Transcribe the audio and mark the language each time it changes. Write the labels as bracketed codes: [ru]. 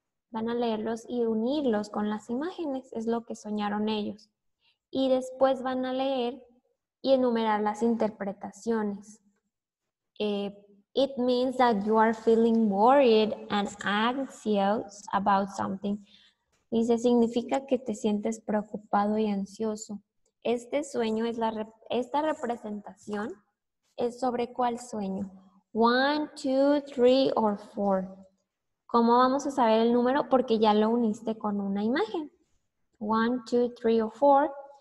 [es] Van a leerlos y unirlos con las imágenes, es lo que soñaron ellos. Y después van a leer y enumerar las interpretaciones. [en] It means that you are feeling worried and anxious about something. [es] Dice, significa que te sientes preocupado y ansioso. Este sueño es esta representación es sobre cuál sueño. 1, 2, 3 or 4. ¿Cómo vamos a saber el número? Porque ya lo uniste con una imagen. 1, 2, 3 or 4.